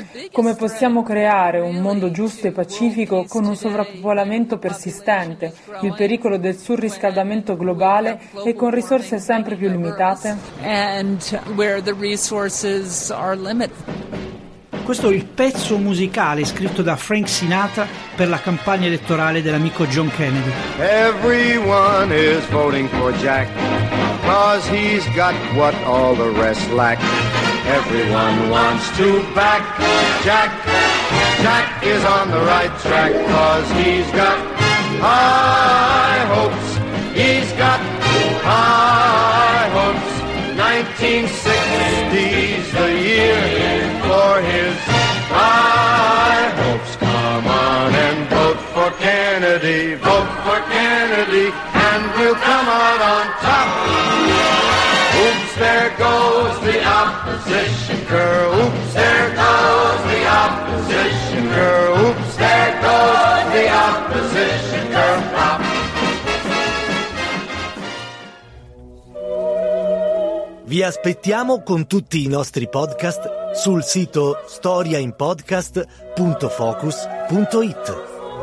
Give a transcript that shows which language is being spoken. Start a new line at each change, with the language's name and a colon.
Italian: Come possiamo creare un mondo giusto e pacifico con un sovrappopolamento persistente, il pericolo del surriscaldamento globale e con risorse sempre più limitate?
English: And where the resources are limited.
Italian: Questo è il pezzo musicale scritto da Frank Sinatra per la campagna elettorale dell'amico John Kennedy.
English: Everyone is voting for Jack, 'cause he's got what all the rest lack. Everyone wants to back Jack. Jack is on the right track, 'cause he's got high hopes. He's got high hopes. 1960's the year for his high hopes. Come on and vote for Kennedy, vote for Kennedy, and we'll come out on top. Oops, there goes the opposition girl. Oops, there goes the opposition girl. Oops, there goes the opposition girl.
Italian: Vi aspettiamo con tutti i nostri podcast sul sito storiainpodcast.focus.it.